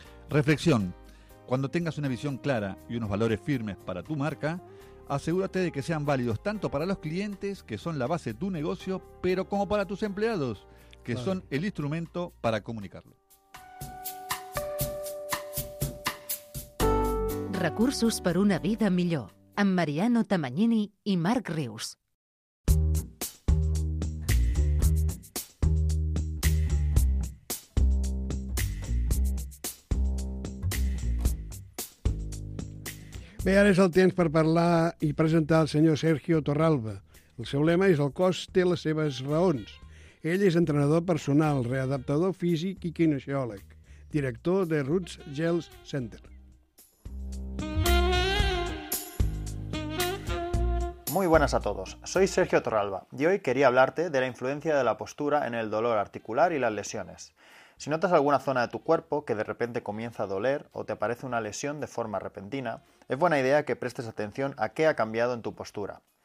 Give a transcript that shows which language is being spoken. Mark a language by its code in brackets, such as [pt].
[es] Reflexión: cuando tengas una visión clara y unos valores firmes para tu marca, asegúrate de que sean válidos tanto para los clientes, que son la base de tu negocio, pero como para tus empleados, que son el instrumento para comunicarlo. [ca] Recursos per una vida millor, amb Mariano Tamagnini i Marc Rius. Bé, ara és el temps per parlar i presentar el senyor Sergio Torralba. El seu lema és: el cos té les seves raons. Ell és entrenador personal, readaptador físic i kinesiòleg, director de Roots Gels Center. [es] Muy buenas a todos, soy Sergio Torralba y hoy quería hablarte de la influencia de la postura en el dolor articular y las lesiones. Si notas alguna zona de tu cuerpo que de repente comienza a doler o te aparece una lesión de forma repentina, es buena idea que prestes atención a qué ha cambiado en tu postura.